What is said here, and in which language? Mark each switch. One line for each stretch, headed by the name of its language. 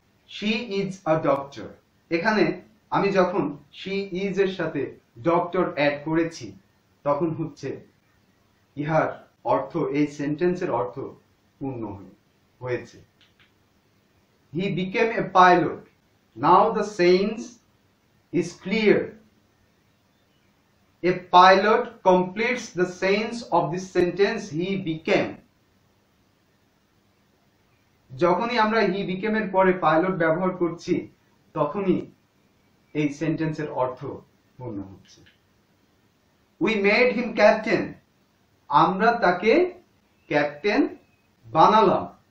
English: she is a doctor,
Bangla: এখানে আমি যখন শি ইজ এর সাথে ডক্টর অ্যাড করেছি, তখন হচ্ছে ইহার অর্থ, এই সেন্টেন্সের অর্থ পূর্ণ হয়েছে।
English: He became a pilot, now the sense is clear. A pilot completes the sense of this sentence, he became.
Bangla: যখনই আমরা
English: he became
Bangla: এর পরে পাইলট ব্যবহার করছি, তখনই এই সেন্টেন্সের অর্থ পূর্ণ হচ্ছে।
English: we made him captain,
Bangla: আমরা তাকে ক্যাপ্টেন বানালাম।